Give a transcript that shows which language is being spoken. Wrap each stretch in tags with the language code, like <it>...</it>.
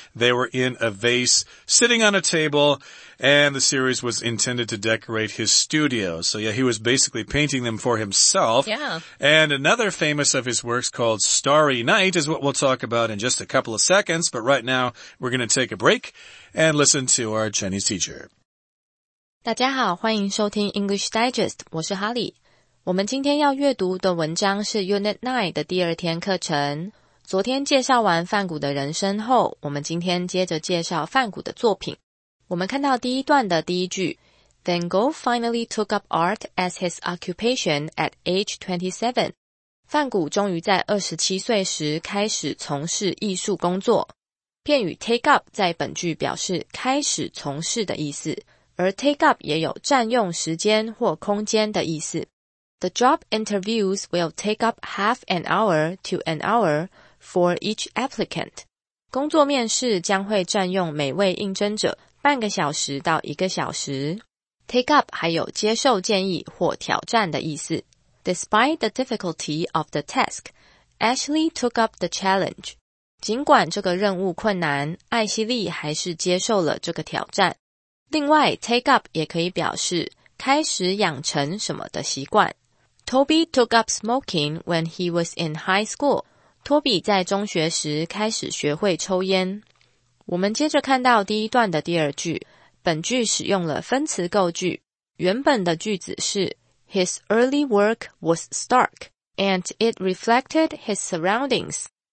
<en>They were in a vase sitting on a table, and the series was intended to decorate his studio. So yeah, he was basically painting them for himself. And another famous of his works called Starry Night is what we'll talk about in just a couple of seconds. But right now, we're going to take a break and listen to our Chinese teacher.</en> <zh>大家好，欢迎收听 English Digest， 我是哈利。我们今天要阅读的文章是 Unit 9的第二天课程。昨天介绍完梵谷的人生后，我们今天接着介绍梵谷的作品。我们看到第一段的第一句，</zh> <en>Van Gogh finally took up art as his occupation at age 27.</en> <zh>梵谷终于在27岁时开始从事艺术工作。片语 take up 在本句表示开始从事的意思，而 take up 也有占用时间或空间的意思。</zh> <en>The job interviews will take up half an hour to an hour for each applicant.</en> <zh>工作面试将会占用每位应征者半个小时到一个小时。 Take up 还有接受建议或挑战的意思。</zh> <en>Despite the difficulty of the task, Ashley took up the challenge.</en> <zh>尽管这个任务困难，艾希莉还是接受了这个挑战。另外 ,take up 也可以表示开始养成什么的习惯。</zh> <en>Toby took up smoking when he was in high school.</en> <zh>托比在中学时开始学会抽烟。我们接着看到第一段的第二句。本句使用了分词构句，原本的句子是</zh> <en>His early work was stark, and it reflected his surroundings.</en>